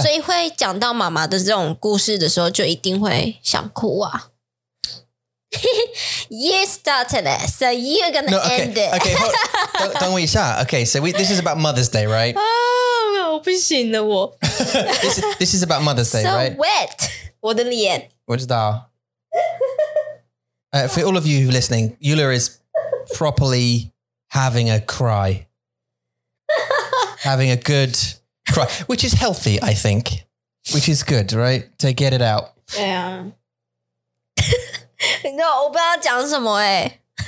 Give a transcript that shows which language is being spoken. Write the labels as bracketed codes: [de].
[zh] 所以会讲到妈妈的这种故事的时候，就一定会想哭啊。 [en] You started it, so you're gonna end it. Okay, hold, don't wait [zh] 一下. [en] Okay, so this is about Mother's Day, right? [zh] Oh, 我不行了我。 [en] this is about Mother's Day, so right? So wet, [zh] 我的脸。我知道。 [en] For all of you listening, Yula is properly having a cry. Having a good cry, which is healthy, I think. Which is good, right? To get it out. Yeah. [zh] 你知道我不知道讲什么欸。